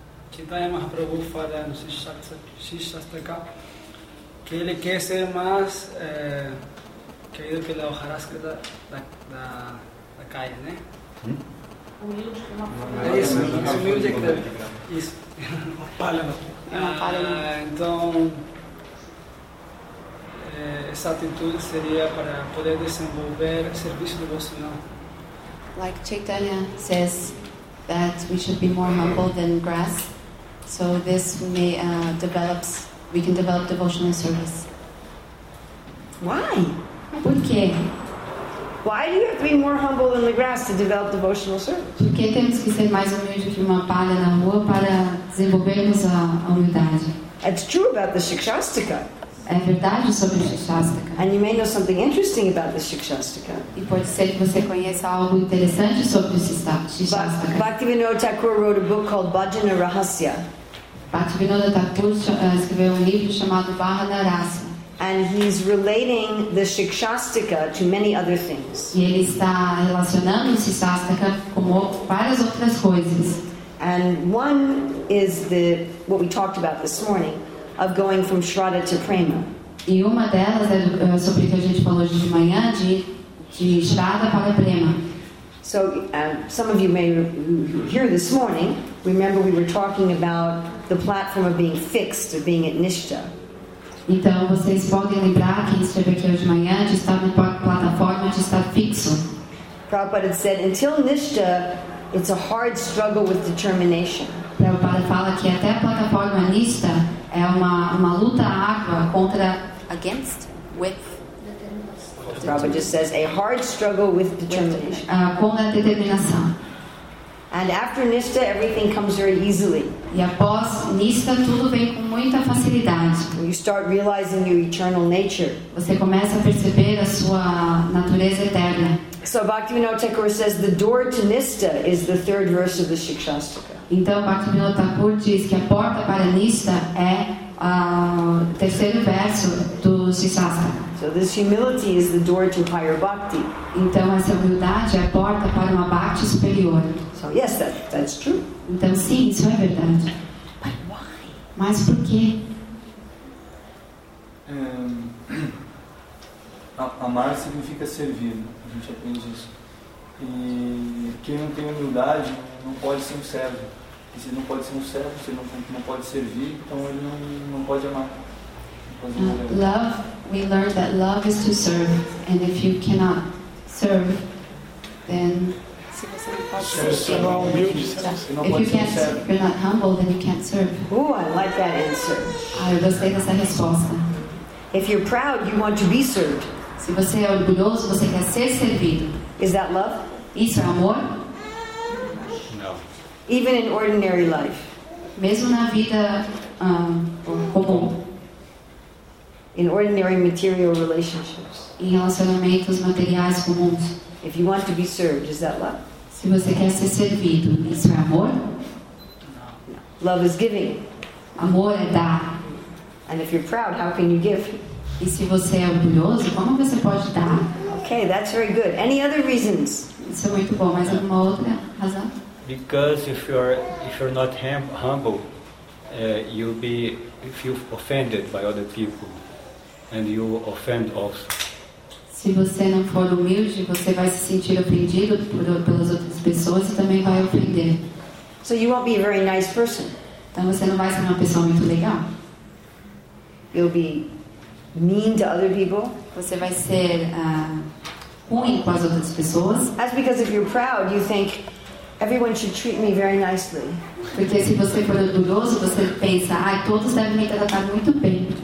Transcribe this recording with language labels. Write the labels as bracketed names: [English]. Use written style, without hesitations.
[Portuguese] Chaitanya Mahaprabhu fala no Shishastaka que ele quer ser mais querido pela hojarasca da caia, né? Humilde como a palha. Isso. Então, essa atitude seria para poder desenvolver o serviço devocional. [English] Like Chaitanya says that we should be more humble than grass. So this may develops. We can develop devotional service. Why? [Portuguese] Por quê? [English] Why do you have to be more humble than the grass to develop devotional service? [Portuguese] Por que temos que ser mais humilde que uma palha na rua para desenvolvermos a humildade? [English] It's true about the Shikshastika. [Portuguese] É verdade sobre o Shikshastika. [English] And you may know something interesting about the Shikshastika. [Portuguese] E pode ser que você conheça algo interessante sobre o Shikshastika. [English] Bhaktivinoda Thakur wrote a book called Bhajana Rahasya. [Portuguese] Bhaktivinoda Thakur escreveu livro chamado Bhajana Rahasya. [English] And he's relating the Shikshastika to many other things. [Portuguese] E ele está relacionando o Shikshastika com várias outras coisas. [English] And one is what we talked about this morning. Of going from Shraddha to Prema. [Portuguese] E uma delas é sobre o que a gente falou hoje de manhã, de Shraddha para Prema. [English] So, some of you may hear this morning, remember we were talking about the platform of being fixed, of being at Nishtha. [Portuguese] Então, vocês podem lembrar que esteve aqui hoje de manhã, de estar na plataforma, de estar fixo. [English] Prabhupada said, until Nishtha, it's a hard struggle with determination. [Portuguese] Prabhupada fala que até a plataforma Nishtha é uma luta árdua contra [English] against with Prabhupada just says a hard struggle with determination [Portuguese] com a determinação. [English] And after Nishtha everything comes very easily. [Portuguese] E após Nishtha tudo vem com muita facilidade. [English] When you start realizing your eternal nature. [Portuguese] Você começa a perceber a sua natureza eterna. [English] So Bhaktivinoda Thakur says the door to Nishtha is the third verse of the Shikshastika. [Portuguese] Então, Bhaktivinoda Thakur diz que a porta para Nishtha é o terceiro verso do Shikshastika. [English] So this humility is the door to higher bhakti. [Portuguese] Então, essa humildade é a porta para uma bhakti superior. [English] So yes, that's true. [Portuguese] Então, sim, isso é verdade. [English] But why? [Portuguese] Mas por quê? Amar significa servir. A gente aprende isso. E quem não tem humildade não pode ser um servo. E se não pode ser um servo, se não pode servir, então ele não pode amar. [English] Love, we learned that love is to serve. And if you cannot serve, then if you're not humble, then you can't serve. Ooh, I like that answer. [Portuguese] Ah, eu gostei dessa resposta. [English] If you're proud, you want to be served. [Portuguese] Se você é orgulhoso, você quer ser servido. [English] Is that love? [Portuguese] Isso é amor? [English] Even in ordinary life. [Portuguese] Mesmo na vida comum. [English] In ordinary material relationships. [Portuguese] Em relacionamentos materiais comuns. [English] If you want to be served, is that love? [Portuguese] Se você quer ser servido, isso é amor? [English] No. Love is giving. [Portuguese] Amor é dar. [English] And if you're proud, how can you give? [Portuguese] E se você é orgulhoso, como você pode dar? [English] Okay, that's very good. Any other reasons? [Portuguese] Isso é muito bom. Mais alguma outra razão? [English] Because if you're not humble, you'll be feel offended by other people, and you offend also. [Portuguese] Se você não for humilde, você vai se sentir ofendido pelas outras pessoas e também vai ofender. [English] So you won't be a very nice person. [Portuguese] Então você não vai ser uma pessoa muito legal. [English] You'll be mean to other people. [Portuguese] Você vai ser ruim com as outras pessoas. [English] That's because if you're proud, you think everyone should treat me very nicely. [Portuguese] Porque se você for orgulhoso, você pensa, todos devem me tratar muito bem.